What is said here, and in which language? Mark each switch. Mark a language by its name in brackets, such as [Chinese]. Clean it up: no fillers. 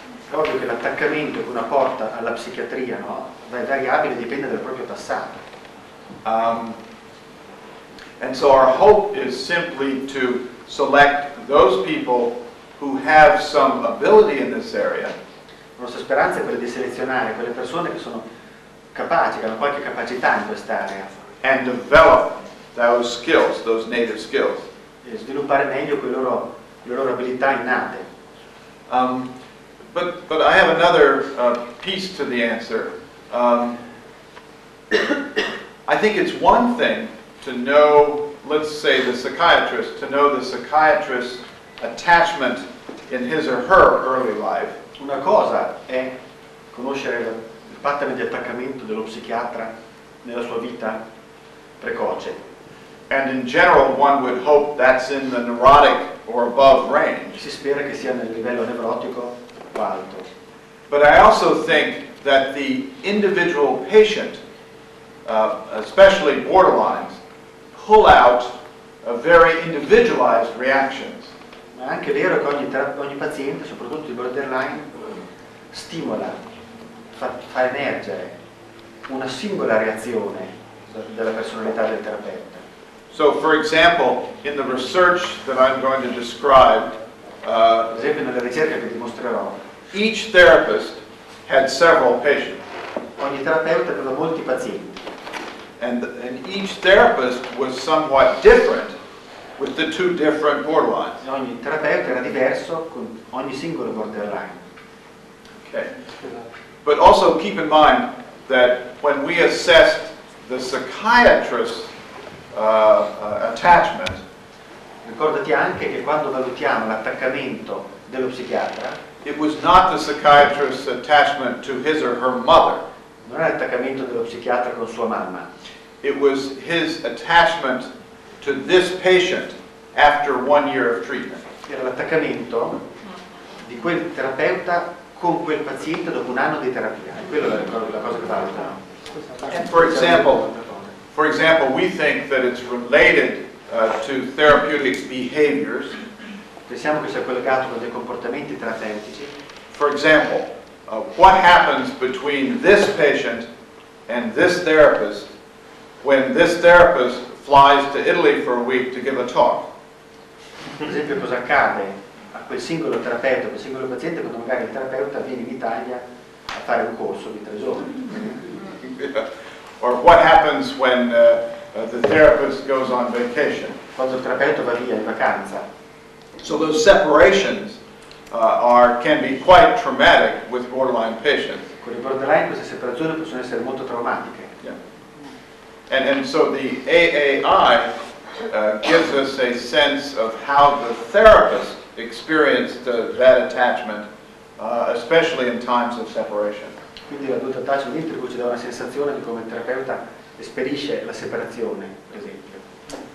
[Italian] Ovvio che l'attaccamento che una porta alla psichiatria, no, è variabile, dipende dal proprio passato. [English] And so our hope is simply to select those people who have some ability in this area. [Italian] La nostra speranza è quella di selezionare quelle persone che sono capaci, che hanno qualche capacità in quest'area. [English] And develop those skills, those native skills. [Italian] E sviluppare meglio le loro abilità innate. [English] But I have another piece to the answer. I think it's one thing to know, let's say, the psychiatrist, to know the psychiatrist's attachment in his or her early life. [Italian] Una cosa è conoscere il pattern di attaccamento dello psichiatra nella sua vita precoce. [English] And in general, one would hope that's in the neurotic or above range. [Italian] Si spera che sia nel livello nevrotico o alto. [English] But I also think that the individual patient, especially borderlines, pull out a very individualized reactions. [Italian] Ma è anche vero che ogni paziente, soprattutto il borderline, stimola, fa emergere una singola reazione della personalità del terapeuta. [English] So, for example, in the research that I'm going to describe, [Italian] ad esempio nella ricerca che ti mostrerò, [English] each therapist had several patients. [Italian] Ogni terapeuta aveva molti pazienti. [English] And each therapist was somewhat different with the two different borderlines. [Italian] Ogni terapeuta era diverso con ogni singolo borderline. [English] Okay. But also keep in mind that when we assessed the psychiatrist's attachment, [Italian] ricordati anche che quando valutiamo l'attaccamento dello psichiatra, [English] it was not the psychiatrist's attachment to his or her mother. [Italian] Non era l'attaccamento dello psichiatra con sua mamma. [English] It was his attachment to this patient after 1 year of treatment. [Italian] Era l'attaccamento di quel terapeuta con quel paziente dopo un anno di terapia. Quello è la cosa che valuta. [English] For example, we think that it's related to therapeutic behaviors. [Italian] Pensiamo che sia collegato con dei comportamenti terapeutici. [English] For example, what happens between this patient and this therapist when this therapist flies to Italy for a week to give a talk? [Italian] Per esempio, cosa accade a quel singolo terapeuta, quel singolo paziente, quando magari il terapeuta viene in Italia a fare un corso di 3 giorni? [English] Or what happens when the therapist goes on vacation? [Italian] Quando il terapeuta va via in vacanza. [English] So those separations can be quite traumatic with borderline patients. [Italian] Con il borderline queste separazioni possono essere molto traumatiche. [English] And so the AAI gives us a sense of how the therapist experienced that attachment, especially in times of separation. [Italian] Quindi la dovuta attachment interview ci dà una sensazione di come il terapeuta esperisce la separazione, per esempio.